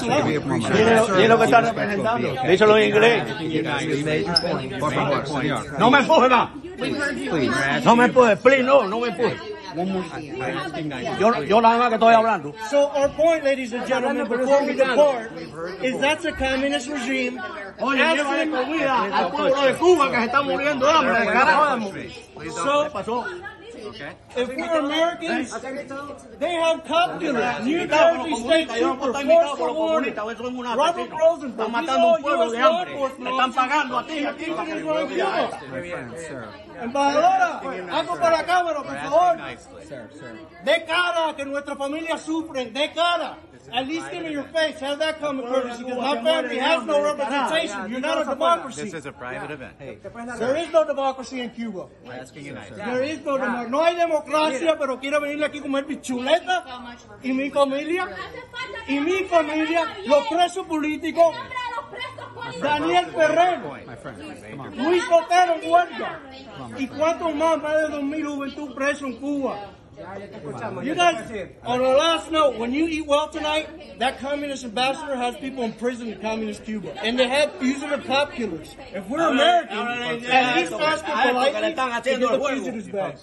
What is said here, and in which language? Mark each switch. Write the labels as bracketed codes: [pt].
[es] it. Díselo en inglés. Por favor, señor. No me empuje más. No me empuje. [en] Please, [es] no, no me empuje. Yo nada más que estoy hablando. [en] So our point, ladies and gentlemen, before we depart, is that's a communist regime. [es] Oye, llévale comida al pueblo de Cuba que se está muriendo de hambre. [en] So, If we're Americans, they have cop killers. New Jersey State Trooper, Forster Warner, Robert Rosenberg. These are all U.S. law enforcement officers. [es] Embajadora, hago para la cámara, por favor. De cara, que nuestra familia sufre, de cara. [en] At least give me your face. Have that come courtesy, because my family has no representation. You're not a democracy. This is a private event. There is no democracy in Cuba. There is no democracy. [es] No hay democracia, pero quiero venirle aquí a comer mi chuleta y mi familia. Y mi familia, los presos políticos, Daniel Ferrero, Luis Botero Huerta, y cuántos más, más de 2,000 juventud presos en Cuba. [en] You guys, on a last note, when you eat well tonight, that communist ambassador has people in prison in communist Cuba. And they have fugitive cop killers. If we're American, at least ask for politely to get the fugitives back.